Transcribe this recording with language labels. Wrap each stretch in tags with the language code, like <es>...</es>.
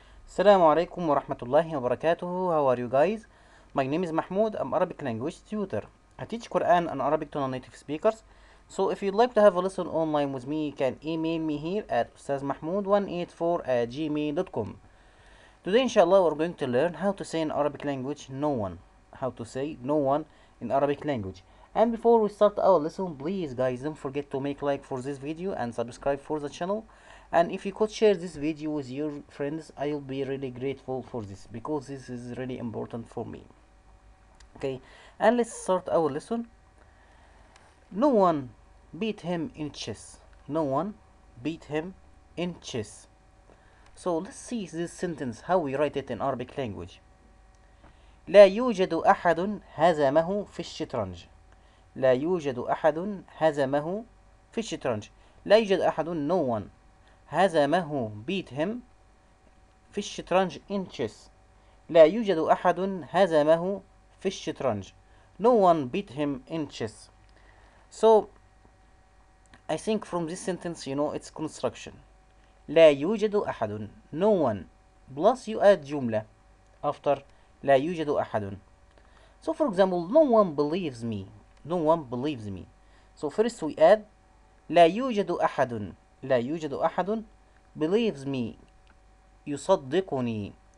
<ar>السلام عليكم ورحمة الله وبركاته.</ar> <en>How are you guys? My name is Mahmoud. I'm Arabic language tutor. I teach Quran and Arabic to non-native speakers. So if you'd like to have a lesson online with me, you can email me here at ustazmahmoud184@gmail.com. Today, inshallah, we're going to learn how to say in Arabic language, no one. How to say no one in Arabic language. And before we start our lesson, please guys, don't forget to make like for this video and subscribe for the channel. And if you could share this video with your friends, I'll be really grateful for this, because this is really important for me. Okay, and let's start our lesson. No one beat him in chess. No one beat him in chess. So let's see this sentence, how we write it in Arabic language.</en> <ar>لا يوجد أحد هزمه في الشطرنج. لا يوجد أحد هزمه في الشطرنج. لا يوجد أحد,</ar> <en>no one.</en> <ar>هزمه,</ar> <en>beat him,</en> <ar>في الشطرنج,</ar> <en>in chess.</en> <ar>لا يوجد أحد هزمه في الشطرنج.</ar> <en>No one beat him in chess. So, I think from this sentence, you know its construction.</en> <ar>لا يوجد أحد,</ar> <en>no one. Plus you add جملة after</en> <ar>لا يوجد أحد.</ar> <en>So for example, no one believes me. No one believes me. So first we add</en> <ar>لا يوجد أحد. لا يوجد أحد</ar> <en>believes me,</en> <ar>يصدقني.</ar>